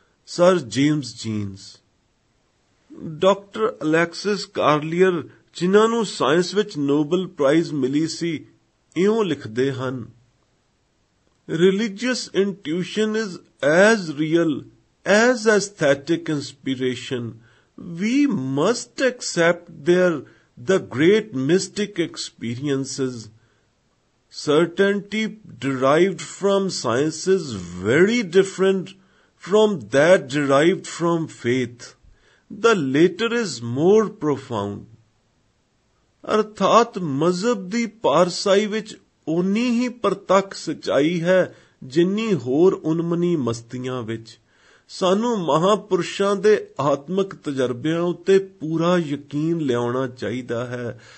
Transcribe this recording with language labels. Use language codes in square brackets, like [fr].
[pa] Sir James jeans. Doctor Alexis ਕਾਰਲੀਅਰ, ਜਿਨ੍ਹਾਂ ਨੂੰ science ਵਿੱਚ ਨੋਬਲ ਪ੍ਰਾਈਜ਼ ਮਿਲੀ ਸੀ, ਇਉਂ ਲਿਖਦੇ ਹਨ, [en] Religious intuition is as real as aesthetic inspiration. We must accept there the great mystic experiences. Certainty derived from science is very different from that derived from faith. The later is more profound. [pa] ਅਰਥਾਤ ਮਜ਼ਹਬ ਦੀ ਪਾਰਸਾਈ ਵਿੱਚ ਓਨੀ ਹੀ ਪ੍ਰਤੱਖ ਸਚਾਈ ਹੈ ਜਿੰਨੀ ਹੋਰ ਉਨਮਨੀ ਮਸਤੀਆਂ ਵਿੱਚ। ਸਾਨੂੰ ਮਹਾਂਪੁਰਸ਼ਾਂ ਦੇ ਆਤਮਕ ਤਜਰਬਿਆਂ ਉੱਤੇ ਪੂਰਾ ਯਕੀਨ ਲਿਆਉਣਾ ਚਾਹੀਦਾ ਹੈ।